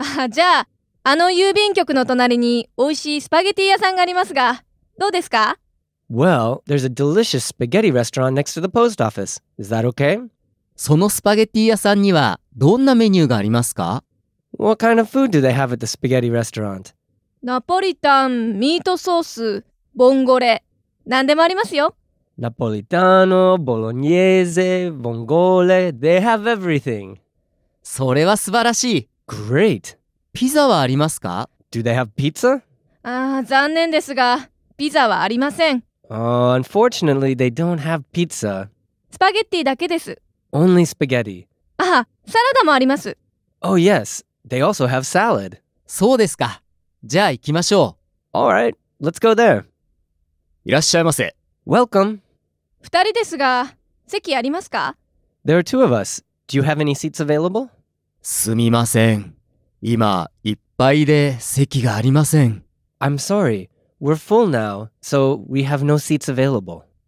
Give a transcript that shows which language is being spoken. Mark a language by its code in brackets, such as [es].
[ja] じゃあ、あの郵便局の隣に美味しいスパゲティ屋さんがありますが、どうですか？ [en] Well, there's a delicious spaghetti restaurant next to the post office. Is that okay? [ja] そのスパゲティ屋さんにはどんなメニューがありますか？ [en] What kind of food do they have at the spaghetti restaurant? [ja] ナポリタン、ミートソース、ボンゴレ、何でもありますよ。 [en] ナポリタノ、ボロニエーゼ、ボンゴレ、they have everything. [ja] それは素晴らしい。 [en] Great! [ja] ピザはありますか? [en] Do they have pizza? [ja] ああ、残念ですが、ピザはありません。 [en] Unfortunately, they don't have pizza. [ja] スパゲッティだけです。 [en] Only spaghetti. [ja] ああ、サラダもあります。 [en] Oh yes, they also have salad. [ja] そうですか。じゃあ行きましょう。 [en] Alright, let's go there. [ja] いらっしゃいませ。 [en] Welcome. [ja] 二人ですが、席ありますか? [en] There are two of us. Do you have any seats available? [ja] すみません。今、いっぱいで席がありません。 [en] I'm sorry. We're full now, so we have no seats available.